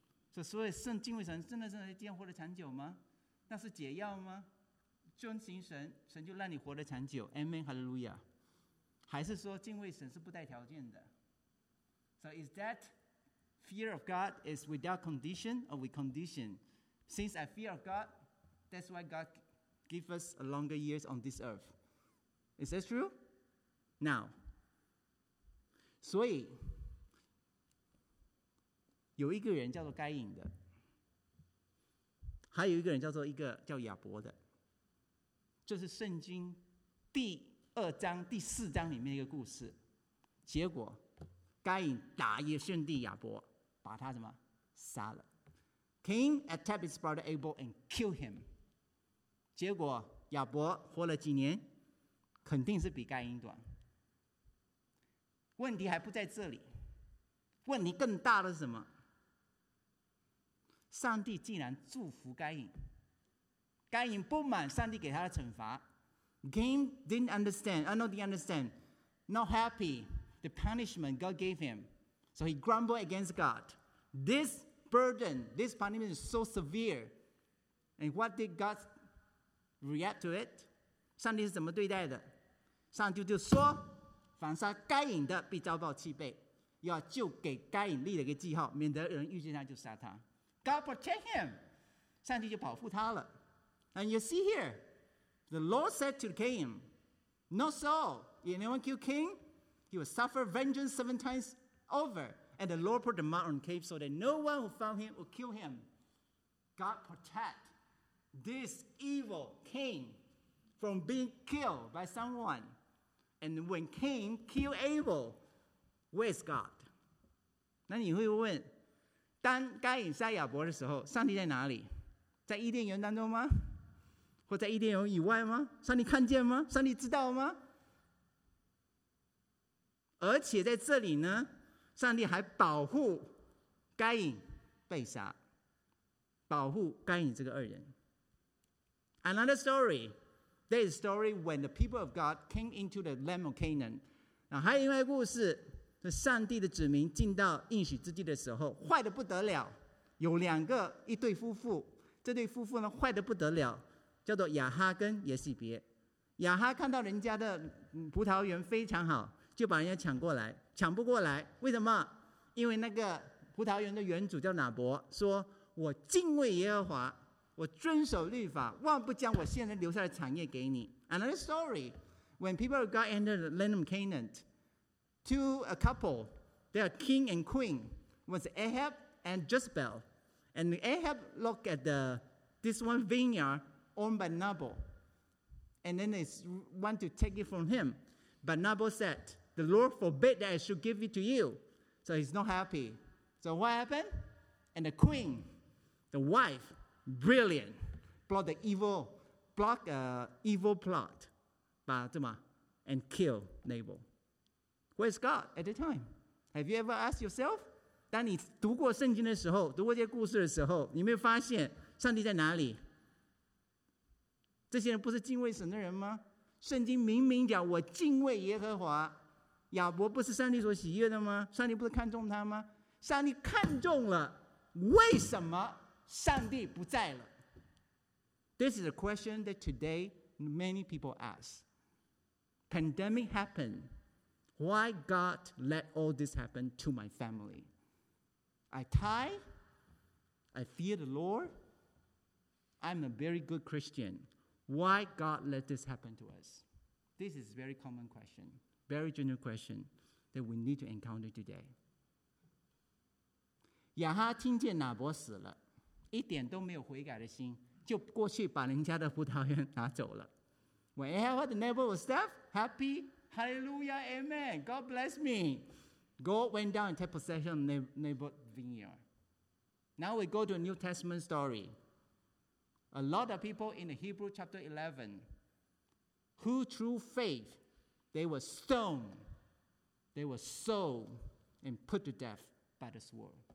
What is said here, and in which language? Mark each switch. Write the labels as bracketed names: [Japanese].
[Chinese] So, 所以圣敬畏神真的是在地上活得长久吗？那是解药吗？遵行神，神就让你活得长久。 [English] Amen, Hallelujah. [Chinese] 还是说敬畏神是不带条件的？ [English] So is that fear of God is without condition or with condition? Since I fear of God, that's why God give us a longer years on this earth. Is that true? [Chinese] Now, 所以有一个人叫做该隐的，还有一个人叫做一个叫亚伯的，这是圣经第二章第四章里面的一个故事。结果该隐打野圣地亚伯，把他什么杀了。 [English] Cain attacked his brother Abel and killed him. [Chinese] 结果亚伯活了几年，肯定是比该隐短。问题还不在这里，问题更大的是什么？上帝竟然祝福该隐，该隐不满上帝给他的惩罚。 [English] Cain didn't understand, I know they understand, not happy the punishment God gave him. So he grumbled against God. This burden, this punishment is so severe. And what did God react to it? [Chinese] 上帝是怎么对待的？上帝就说，凡杀该隐的必遭报七倍，要就给该隐立了一个记号，免得人遇见他就杀他。 [English] God protect him. [Chinese] 上帝就保护他了。 [English] And you see here, the Lord said to Cain, not so. Anyone kill Cain, he will suffer vengeance seven times over. And the Lord put the mark on Cain so that no one who found him will kill him. God protect this evil Cain from being killed by someone. And when Cain killed Abel, where's God? [Chinese] 那你会问，当该隐杀亚伯的时候，上帝在哪里？在伊甸园当中吗？或在伊甸园以外吗？上帝看见吗？上帝知道吗？而且在这里呢，上帝还保护该隐被杀，保护该隐这个恶人。 [English] Another story, there is a story when the people of God came into the land of Canaan. [Chinese] 那还有另外一个故事，是上帝的子民进到应许之地的时候，坏得不得了。有两个一对夫妇，这对夫妇呢坏得不得了，叫做亚哈跟耶洗别。亚哈看到人家的葡萄园非常好，就把人家抢过来。抢不过来，为什么？因为那个葡萄园的园主叫拿伯，说我敬畏耶和华，我遵守律法，万不将我现在留下的产业给你。 [English] Another story, when people of God entered the land of Canaan, to a couple, they are king and queen, was Ahab and Jezebel. And Ahab looked at this one vineyard owned by Nabal, and then they want to take it from him. But Nabal said, the Lord forbid that I should give it to you. So he's not happy. So what happened? And the queen, the wife, brilliant, plot the evil plot, and kill Nabal. Where's God at the time? Have you ever asked yourself? [Chinese] 当你读过圣经的时候，读过这些故事的时候，你有没有发现上帝在哪里？这些人不是敬畏神的人吗？圣经明明讲我敬畏耶和华，亚伯不是上帝所喜悦的吗？上帝不是看重他吗？上帝看重了，为什么上帝不在了？ [English] This is a question that today many people ask. Pandemic happened. Why God let all this happen to my family? I tithe. I fear the Lord. I'm a very good Christian. Why God let this happen to us? This is a very common question, very general question that we need to encounter today. [Chinese] 亚哈听见拿伯死了，一点都没有悔改的心，就过去把人家的葡萄园拿走了。 [English] When Ahab heard the Nabal was deaf, happy, hallelujah, amen, God bless me. God went down and took possession of Nabal's vineyard. Now we go to a New Testament story. A lot of people in the Hebrew chapter 11, who through faith, they were stoned, they were sold and put to death by the sword.